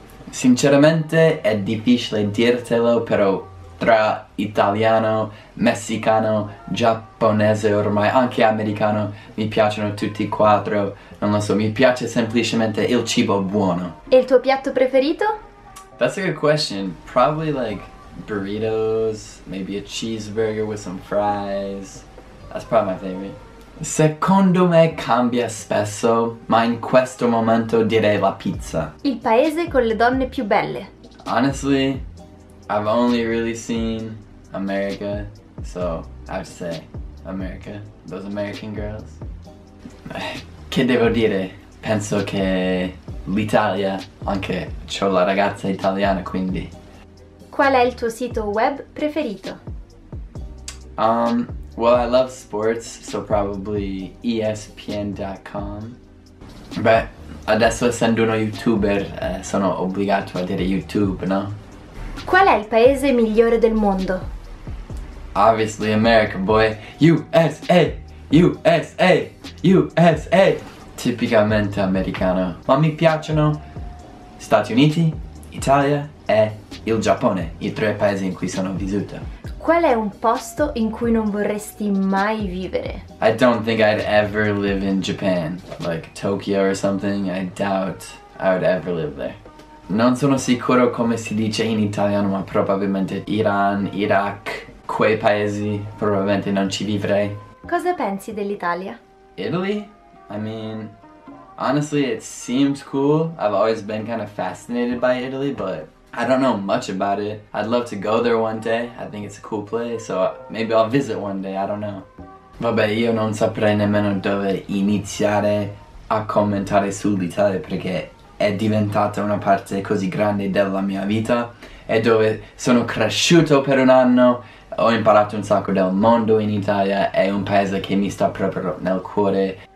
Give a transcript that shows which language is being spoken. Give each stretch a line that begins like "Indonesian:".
Italian: Sinceramente, è difficile dirtelo, però tra italiano, messicano, giapponese, ormai anche americano, mi piacciono tutti quattro. Non lo so, mi piace semplicemente il cibo buono. E il tuo piatto preferito?
English: That's a good question. Probably like burritos, maybe a cheeseburger with some fries. That's probably my favorite.
Italian: Secondo me cambia spesso, ma in questo momento direi la pizza. Il paese con le donne più belle.
English: Honestly, I've only really seen America, so I'd say America, those American girls.
Italian: Che devo dire? Penso che l'Italia, anche c'ho la ragazza italiana, quindi. Qual è il tuo sito web preferito?
English: Well, I love sports, so probably ESPN.com.
Italian: Beh, adesso essendo uno YouTuber, sono obbligato a dire YouTube, no? Qual è il paese migliore del mondo?
English: Obviously America, boy. USA! USA! USA!
Italian: Tipicamente americano. Ma mi piacciono Stati Uniti, Italia e il Giappone, i tre paesi in cui sono vissuto. Qual è un posto in cui non vorresti mai vivere?
English: I don't think I'd ever live in Japan, like Tokyo or something. I doubt I would ever live there.
Italian: Non sono sicuro come si dice in italiano, ma probabilmente Iran, Iraq, quei paesi, probabilmente non ci vivrei. Cosa pensi dell'Italia?
English: Italy? I mean, honestly, it seems cool. I've always been kind of fascinated by Italy, but I don't know much about it. I'd love to go there one day. I think it's a cool place, so maybe I'll visit one day, I don't know.
Italian: Vabbè, io non saprei nemmeno dove iniziare a commentare sull'Italia perché è diventata una parte così grande della mia vita e dove sono cresciuto per un anno, ho imparato un sacco del mondo in Italia, è un paese che mi sta proprio nel cuore.